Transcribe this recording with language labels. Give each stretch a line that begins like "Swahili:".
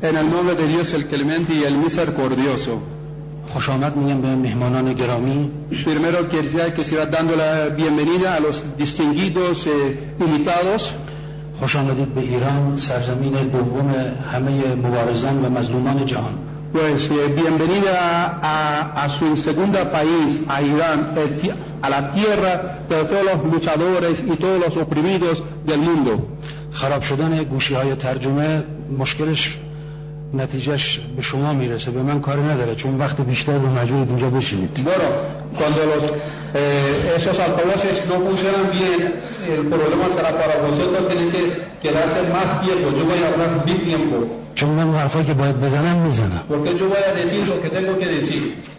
Spanish: En el nombre de Dios el Clemente y el Misericordioso.
Persian: خوش آمد میگم به مهمانان گرامی.
Spanish: Primero quería que siga dando la bienvenida a los distinguidos invitados.
Persian: خوش آمدید به ایران، سرزمین دوم همه مبارزان و مظلومان جهان.
Spanish: Pues bienvenida a su segunda país, a Irán, a la tierra de todos los luchadores y todos los oprimidos del mundo.
Persian: خراب شدن گوشی‌های ترجمه مشکلش نتیجهش به شما میرسه، به من کاری نداره چون وقت بیشتر رو مجبور اینجا بشینید. برو
Spanish: cuando los esos altavoces no funcionan bien el problema será para vosotros, tienen que quedarse más tiempo, yo voy a hablar mi tiempo.
Persian: چون من حرفایی که باید بزنم میزنم.
Spanish: Porque yo voy a decir lo que tengo que decir.